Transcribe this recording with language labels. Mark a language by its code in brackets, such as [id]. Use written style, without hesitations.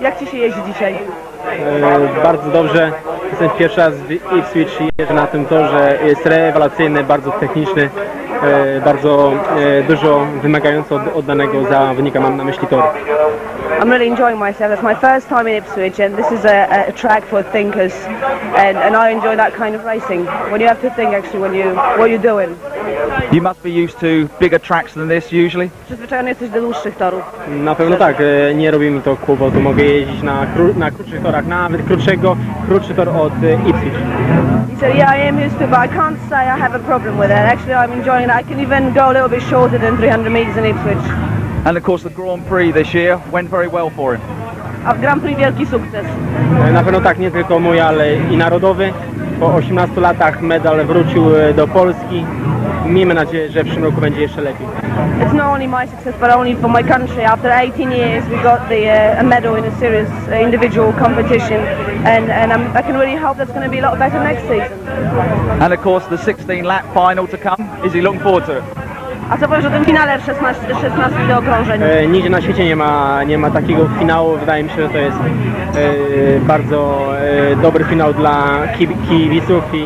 [pl] Jak ci się jeździ dzisiaj? Bardzo dobrze. Jestem pierwszy raz w Ipswich, jeżdżę na tym torze. Jest rewelacyjny, bardzo techniczny, bardzo dużo wymagający od danego zawodnika, mam na myśli tor. [en] I'm really enjoying myself. It's my first time in Ipswich, and this is a track for thinkers, and I enjoy that kind of racing. When you have to think, actually, when you what you're doing. You must be used to bigger tracks than this usually. [pl] Zwyczajnie jesteś do dłuższych torów. Na pewno tak. Nie robimy to kłopotu. Mogę jeździć na krótszych torach, nawet krótszy tor od Ipswich. [en] So yeah, I am used to, but I can't say I have a problem with it. Actually, I'm enjoying it. I can even go a little bit shorter than 300 meters in Ipswich. And of course the Grand Prix this year went very well for him. [pl] A w Grand Prix wielki sukces. Na pewno tak, nie tylko mój, ale i narodowy. Po 18 latach medal wrócił do Polski. Miejmy nadzieję, że w przyszłym roku będzie jeszcze lepiej. [en] It's not only my success, but only for my country. After 18 years we got the a medal in a series individual competition. And I can really hope that's going to be a lot better next season. And of course the 16 lap final to come. Is he looking forward to it? [pl] A co powiesz o tym finale 16 do okrążeń? Nigdzie na świecie nie ma takiego finału. Wydaje mi się, że to jest bardzo dobry finał dla kibiców.